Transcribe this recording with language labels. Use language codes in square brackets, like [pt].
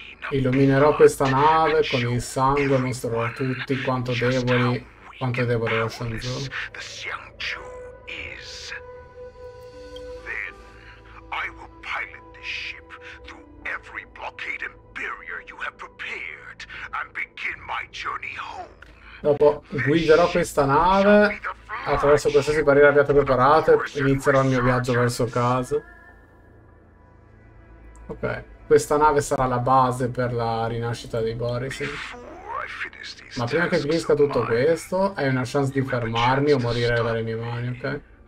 [it] Illuminerò questa nave con il sangue e mostrerò a tutti quanto deboli lo Xingzhou. [en] Then I will pilot this ship through every blockade and barrier you have prepared and begin my journey home. [it] Dopo guiderò questa nave attraverso qualsiasi barriera abbiate preparato e inizierò il mio viaggio verso casa. Ok. Questa nave sarà la base per la rinascita dei Borzin. Ma prima che finisca tutto questo, hai una chance di fermarmi o morire dalle mie mani, ok?